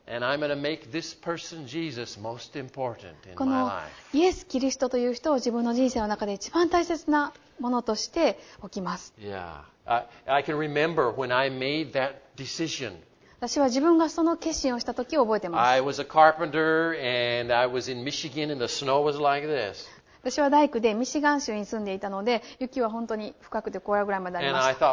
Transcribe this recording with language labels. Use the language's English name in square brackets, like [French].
[English] And I'm going to make this person, Jesus, most important in my life. [Japanese] このイエス・キリストという人を自分の人生の中で一番大切なものとして置きます。 [English] Yeah. I can remember when I made that decision. [Japanese] 私は自分がその決心をした時を覚えてます。 [English] I was a carpenter and I was in Michigan and the snow was like this. [Japanese] 私は大工でミシガン州に住んでいたので、雪は本当に深くてコーラぐらいまでありました。